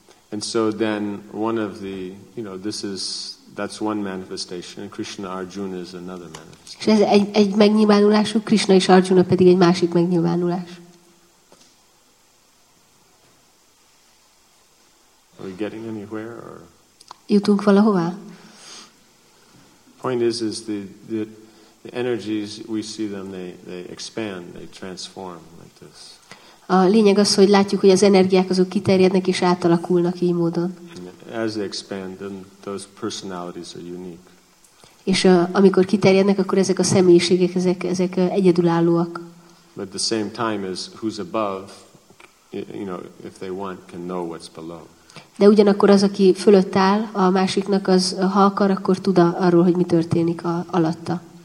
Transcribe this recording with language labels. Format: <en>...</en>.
<en>And so then one of the, you know, this is that's one manifestation. Krishna Arjuna is another manifestation.</en> <hu>És ez egy megnyilvánulásuk, Krishna és Arjuna pedig egy másik megnyilvánulás.</hu> <en>Are we getting anywhere? Or?</en> <hu>Jutunk valahová?</hu> <en>Point is the energies we see them they expand, they transform like this.</en> <hu>A lényeg az, hogy látjuk, hogy az energiák azok kiterjednek és átalakulnak így módon.</hu> <en>As they expand, then those personalities are unique.</en> <hu>És amikor kiterjednek, akkor ezek a személyiségek ezek egyedülállóak.</hu> <en>But at the same time as who's above, you know, if they want, can know what's below.</en> <hu>De ugyanakkor az, aki fölött áll a másiknak, az ha akar, akkor tud arról, hogy mi történik alatta.</hu>